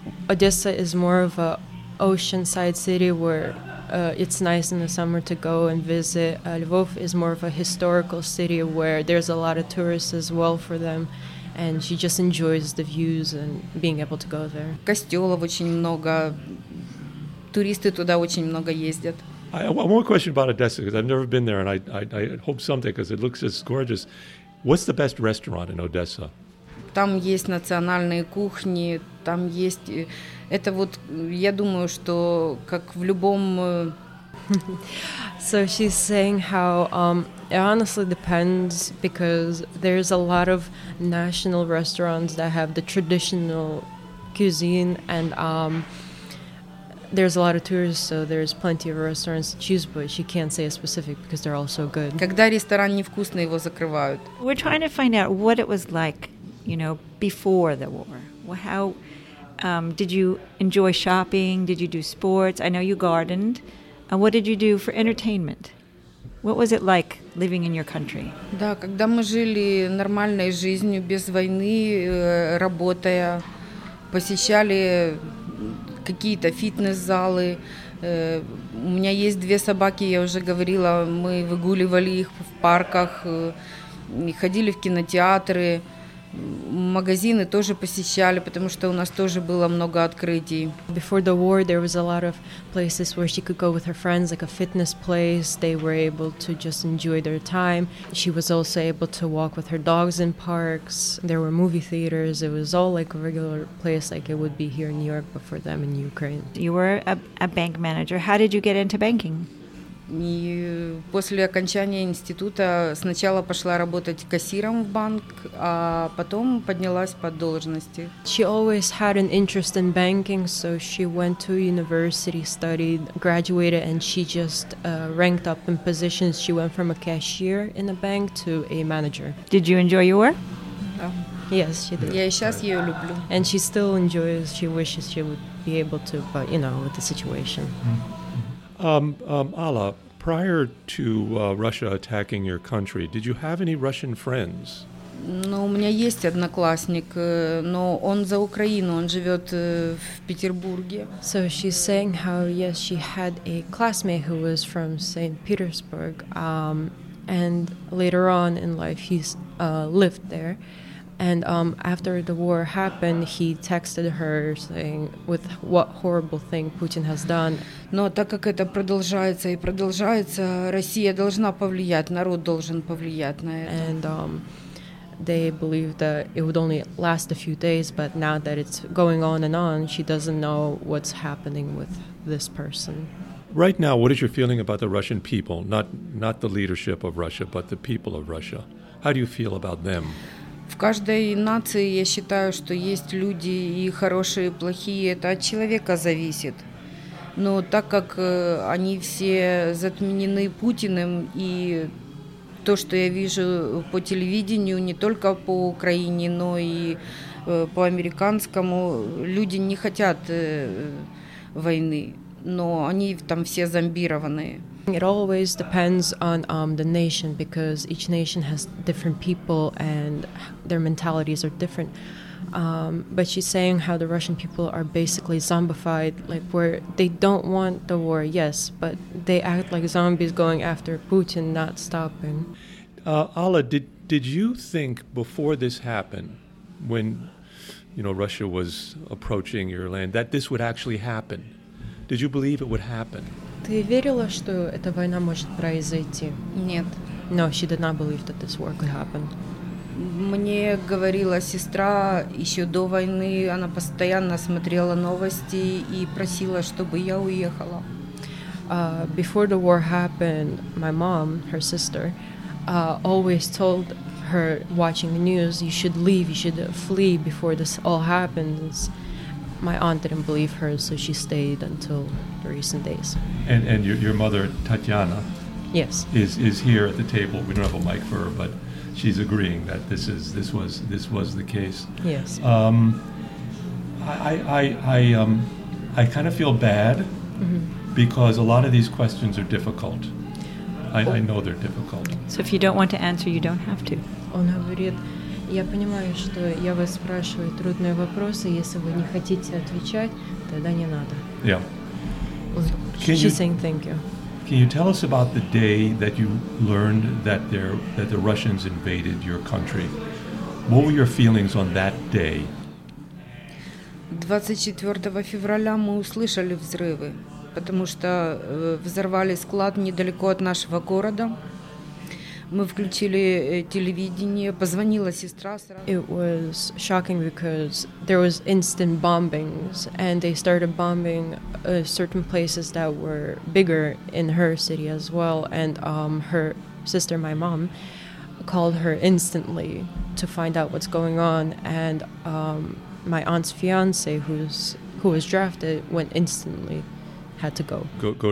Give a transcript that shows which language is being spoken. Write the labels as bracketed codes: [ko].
[en] Odessa is more of a oceanside city where it's nice in the summer to go and visit. Lvov is more of a historical city where there's a lot of tourists as well for them. And she just enjoys the views and being able to go there. [ru] Костёлов очень много. Туристы туда очень много ездят. [en] One question about Odessa, because I've never been there, and I hope someday, because it looks just gorgeous. What's the best restaurant in Odessa? [ru] Там есть национальные кухни, там есть... Это вот, я думаю, что как в любом... [en] So she's saying how it honestly depends, because there's a lot of national restaurants that have the traditional cuisine, and there's a lot of tourists, so there's plenty of restaurants to choose, but she can't say a specific because they're all so good. [ru] Когда ресторан невкусный, его закрывают. [en] We're trying to find out what it was like, you know, before the war. How did you enjoy shopping? Did you do sports? I know you gardened. And what did you do for entertainment? What was it like living in your country? [ru] Да, когда мы жили нормальной жизнью без войны, работая, посещали какие-то фитнес-залы. У меня есть две собаки, я уже говорила, мы выгуливали их в парках, ходили в кинотеатры, магазины тоже посещали, потому что у нас тоже было много открытий. [en] Before the war, there was a lot of places where she could go with her friends, like a fitness place. They were able to just enjoy their time. She was also able to walk with her dogs in parks. There were movie theaters. It was all like a regular place, like it would be here in New York, but for them in Ukraine. You were a bank manager. How did you get into banking? [ru] И после окончания института сначала пошла работать кассиром в банк, а потом поднялась по должности. [en] She always had an interest in banking, so she went to university, studied, graduated, and she just ranked up in positions. She went from a cashier in a bank to a manager. Did you enjoy your work? [ru] Да. [en] Yes, she did. [ru] Я и сейчас ее люблю. [en] And she still enjoys, she wishes she would be able to, but, you know, with the situation. Mm-hmm. Alla, prior to Russia attacking your country, did you have any Russian friends? [ru] Ну, у меня есть одноклассник, но он за Украину, он живет в Петербурге. [en] So she's saying how, yes, she had a classmate who was from St. Petersburg, and later on in life he lived there. And after the war happened, he texted her saying with what horrible thing Putin has done. [ru] Но так как это продолжается и продолжается, Россия должна повлиять, народ должен повлиять на это. [en] And they believe that it would only last a few days, but now that it's going on, she doesn't know what's happening with this person. Right now, what is your feeling about the Russian people? Not the leadership of Russia, but the people of Russia. How do you feel about them? [ru] В каждой нации, я считаю, что есть люди и хорошие, и плохие. Это от человека зависит. Но так как они все затмены Путиным, и то, что я вижу по телевидению, не только по Украине, но и по американскому, люди не хотят войны, но они там все зомбированные. [en] It always depends on the nation, because each nation has different people and their mentalities are different. But she's saying how the Russian people are basically zombified, like where they don't want the war, yes, but they act like zombies going after Putin, not stopping. Alla, did you think before this happened, when, you know, Russia was approaching your land, that this would actually happen? Did you believe it would happen? [ru] Ты верила, что эта война может произойти? Нет. [en] No, she did not believe that this war could happen. [ru] Мне говорила сестра еще до войны, она постоянно смотрела новости и просила, чтобы я уехала. [en] Before the war happened, my mom, her sister, always told her, watching the news, you should leave, you should flee before this all happens. My aunt didn't believe her, so she stayed until the recent days. And your mother, Tatiana, yes, is here at the table. We don't have a mic for her, but she's agreeing that this was the case. Yes. I kind of feel bad, mm-hmm, because a lot of these questions are difficult. I know they're difficult. So if you don't want to answer, you don't have to. [ru] Он говорит. Я понимаю, что я вас спрашиваю трудные вопросы, если вы не хотите отвечать, тогда не надо. [en] Yeah. She's saying thank you. Can you tell us about the day that you learned that the Russians invaded your country? What were your feelings on that day? [ru] 24 февраля мы услышали взрывы, потому что взорвали склад недалеко от нашего города. Мы включили телевидение, позвонила сестра сразу. [en] It was shocking because there was instant bombings and they started bombing certain places that were bigger in her city as well, and her sister, my mom, called her instantly to find out what's going on, and my aunt's fiance, who was drafted, went instantly, had to go